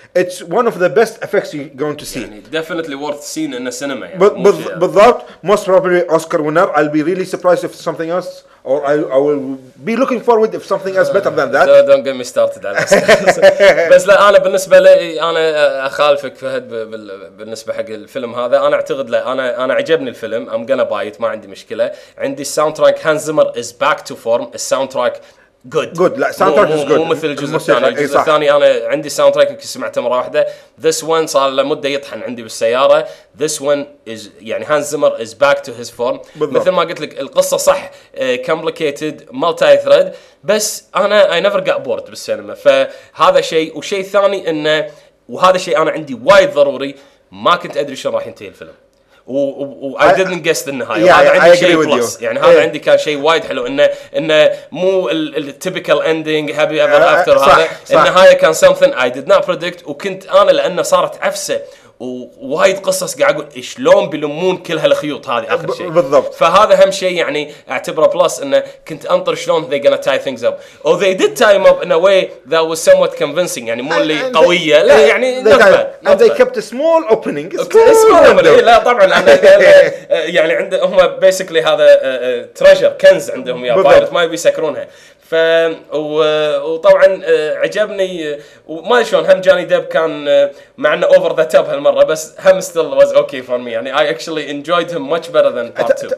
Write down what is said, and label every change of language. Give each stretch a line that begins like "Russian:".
English: It's one of the best effects you're going to see.
Arabic: يعني
English: definitely worth seeing in the cinema. يعني
Arabic: بالضبط.
English: Most probably Oscar winner. I'll be really surprised if something else, or I will be looking forward if something else better than that. Don't get me started
Arabic: على بس لا, أنا بالنسبة لي أنا أخالفك فهد بالنسبة حق الفيلم هذا. أنا أعتقد لا, أنا عجبني الفيلم.
English: I'm gonna buy it.
Arabic: ما عندي مشكلة. عندي
English: soundtrack. Hans Zimmer is back to form. The soundtrack good.
Arabic: لا
English: soundtrack is good,
Arabic: مو مثل الجزء الثاني. الجزء الثاني انا عندي ساوند تراك سمعته مره واحده.
English: This one
Arabic: صار لمده يطحن عندي بالسياره.
English: This one is
Arabic: يعني
English: Hans Zimmer is back to his form.
Arabic: مثل ما قلت لك القصه صح
English: complicated multi thread,
Arabic: بس انا
English: I never got bored
Arabic: بالسينما. فهذا شيء. وشيء ثاني انه, وهذا شيء انا عندي وايد ضروري, ما كنت ادري شلون راح ينتهي الفيلم.
English: I didn't guess the
Arabic: النهاية. هذا عندي شيء بلس. يعني هذا عندي كان شيء وايد حلو, إنه مو ال
English: typical ending happy ever after.
Arabic: هذا النهاية كان
English: something I did not predict.
Arabic: وكنت أنا لأنه صارت عفسة ووايد قصص قاعد أقول إشلون بلمون كل هالخيوط هذه آخر شيء. بالضبط. فهذا أهم شيء يعني أعتبره بلس, إنه كنت أنطر شلون
English: they gonna tie things up. Oh they did tie them up in a way that was somewhat convincing.
Arabic: يعني مو اللي قوية. لا يعني نقطة.
English: And they kept a small opening.
Arabic: لا طبعاً أنا يعني عندهم basically هذا treasure, كنز عندهم يا بايرت ما يبي يسكرونها. وطبعاً عجبني, وما أدري شلون هم جوني ديب كان مع إنه
English: over the top
Arabic: هالمرة, بس هم
English: still was okay for me.
Arabic: يعني
English: I actually enjoyed him much better than part 2.